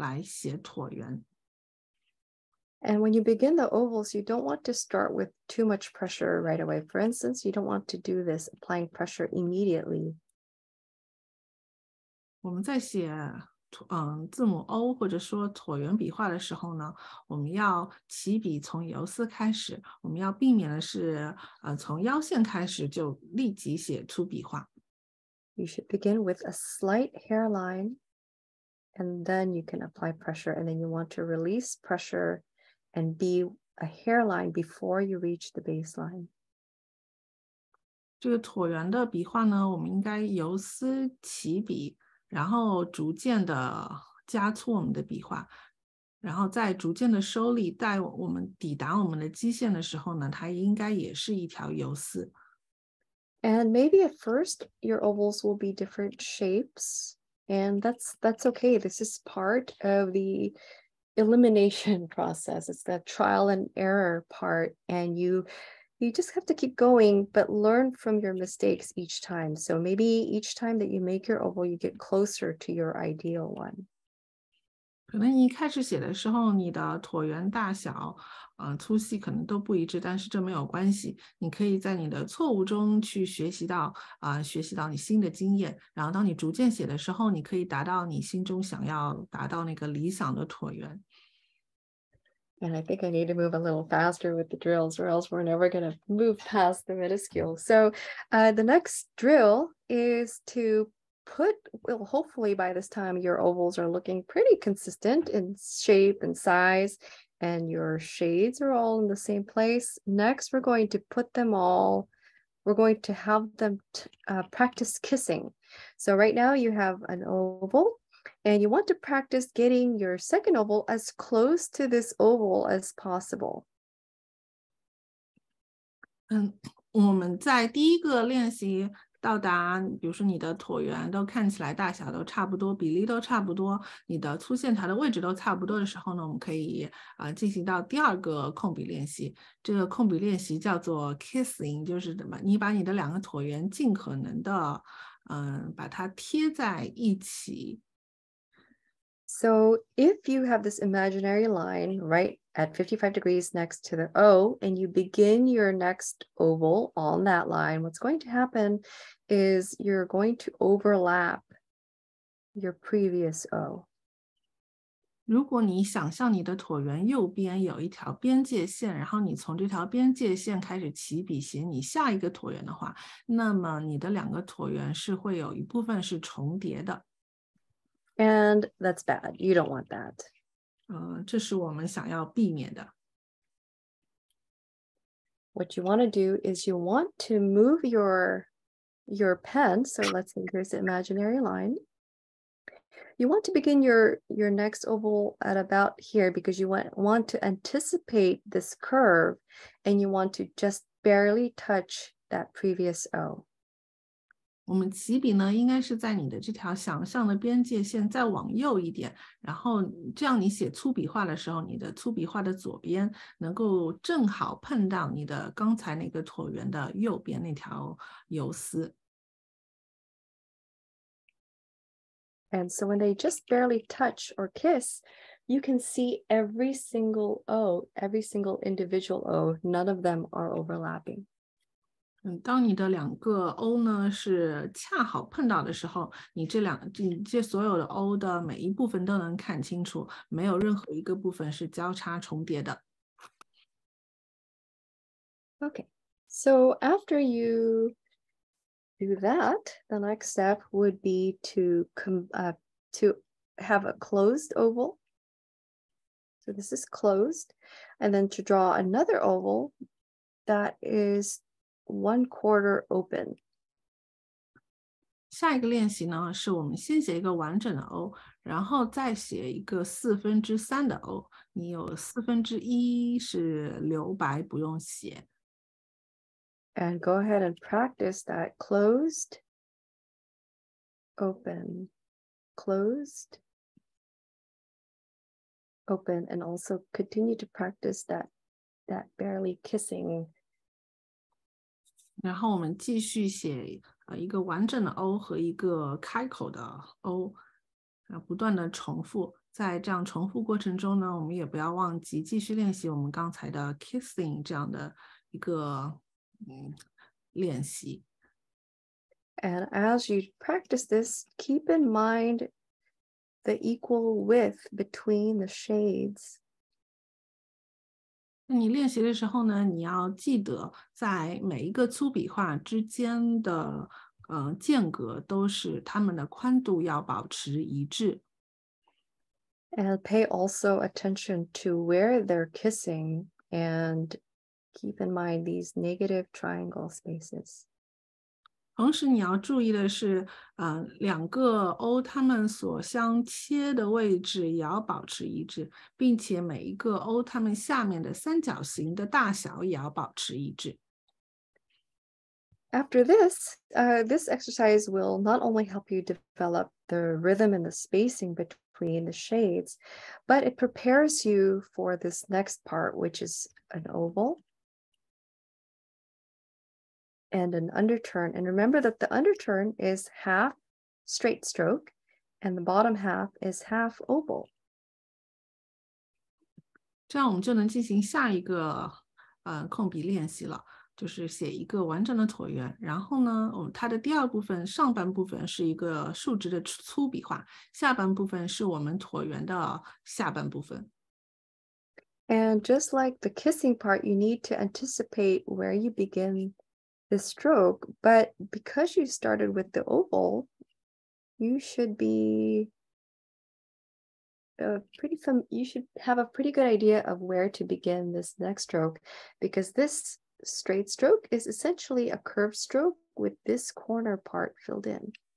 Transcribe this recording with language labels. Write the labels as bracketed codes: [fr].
[zh] 我们首先要的第一个控笔练习是从我们的腰线开始来写椭圆。 [en] And when you begin the ovals, you don't want to start with too much pressure right away. For instance, you don't want to do this applying pressure immediately. [zh] 我们在写字母O或者说椭圆笔画的时候呢，我们要起笔从游丝开始，我们要避免的是从腰线开始就立即写粗笔画。 [en] You should begin with a slight hairline and then you can apply pressure, and then you want to release pressure and be a hairline before you reach the baseline. [zh] 这个椭圆的笔画呢，我们应该由丝起笔，然后逐渐的加粗我们的笔画，然后再逐渐的收力，在我们抵达我们的基线的时候呢，它应该也是一条游丝。 [en] And maybe at first your ovals will be different shapes, and that's okay. This is part of the elimination process. It's the trial and error part, and you just have to keep going, but learn from your mistakes each time. So maybe each time that you make your oval, you get closer to your ideal one. [zh] 可能一开始写的时候，你的椭圆大小、粗细可能都不一致，但是这没有关系。你可以在你的错误中去学习到、学习到你新的经验。然后当你逐渐写的时候，你可以达到你心中想要达到那个理想的椭圆。 [en] And I think I need to move a little faster with the drills, or else we're never going to move past the minuscule. So the next drill is to put, well, hopefully by this time, your ovals are looking pretty consistent in shape and size, and your shades are all in the same place. Next, we're going to put them all, we're going to have them practice kissing. So right now you have an oval. And you want to practice getting your second oval as close to this oval as possible. [zh] 我们在第一个练习到达，比如说你的椭圆都看起来大小都差不多，比例都差不多，你的粗线条的位置都差不多的时候呢，我们可以进行到第二个控笔练习。这个控笔练习叫做 kissing， 就是你把你的两个椭圆尽可能的把它贴在一起。 [en] So if you have this imaginary line right at 55 degrees next to the O and you begin your next oval on that line, what's going to happen is you're going to overlap your previous O. [zh] 如果你想象你的椭圆右边有一条边界线，然后你从这条边界线开始起笔写你下一个椭圆的话，那么你的两个椭圆是会有一部分是重叠的。 [en] And that's bad. You don't want that. [zh] 这是我们想要避免的。 [en] What you want to do is you want to move your pen. So let's say here's the imaginary line. You want to begin your next oval at about here because you want to anticipate this curve and you want to just barely touch that previous O. [zh] 我们起笔呢，应该是在你的这条想象的边界线再往右一点，然后这样你写粗笔画的时候，你的粗笔画的左边能够正好碰到你的刚才那个椭圆的右边那条游丝。 [en] And so when they just barely touch or kiss, you can see every single O, every single individual O, none of them are overlapping. [zh] 当你的两个 O 呢是恰好碰到的时候，你这所有的 O 的每一部分都能看清楚，没有任何一个部分是交叉重叠的。 [en] Okay, so after you do that, the next step would be to have a closed oval. So this is closed, and then to draw another oval that is. One quarter open. [zh] 下一个练习呢，是我们先写一个完整的 O， 然后再写一个四分之三的 O。你有四分之一是留白，不用写。 [en] And go ahead and practice that closed, open, closed, open, and also continue to practice that barely kissing. [zh] 然后我们继续写一个完整的 O 和一个开口的 O， 不断的重复。在这样重复过程中呢，我们也不要忘记继续练习我们刚才的 kissing 这样的一个练习。 [en] And as you practice this, keep in mind the equal width between the shades. [zh] 你练习的时候呢，你要记得在每一个粗笔画之间的间隔都是它们的宽度要保持一致。 [en] And pay also attention to where they're kissing and keep in mind these negative triangle spaces. [zh] 同时你要注意的是两个 O 它们所相切的位置也要保持一致，并且每一个 O 它们下面的三角形的大小也要保持一致。 [en] After this, this exercise will not only help you develop the rhythm and the spacing between the shades, but it prepares you for this next part, which is an oval and an underturn. And remember that the underturn is half straight stroke and the bottom half is half oval. [zh] 这样我们就能进行下一个控笔练习了，就是写一个完整的椭圆，然后呢它的第二部分上半部分是一个竖直的粗笔画，下半部分是我们椭圆的下半部分。 [en] And just like the kissing part, you need to anticipate where you beginthe stroke, but because you started with the oval, you should be you should have a pretty good idea of where to begin this next stroke, because this straight stroke is essentially a curved stroke with this corner part filled in.